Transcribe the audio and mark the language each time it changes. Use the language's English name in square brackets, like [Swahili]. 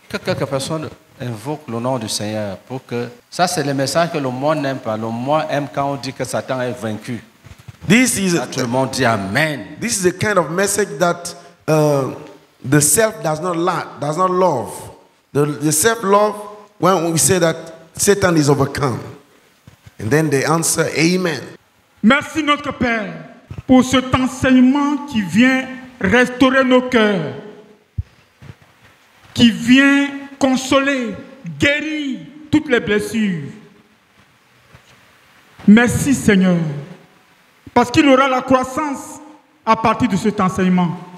[French] Que quelques personnes invoquent le nom du Seigneur pour que ça, c'est le message que le monde n'aime pas. Le monde aime quand on dit que Satan est vaincu. [English] This is [French] tout le monde dit amen. [English] This is a kind of message that the self does not like, does not love. The self love when we say that Satan is overcome, and then they answer amen. [French] Merci notre Père pour cet enseignement qui vient restaurer nos cœurs. qui vient consoler, guérir toutes les blessures. Merci Seigneur, parce qu'il aura la croissance à partir de cet enseignement.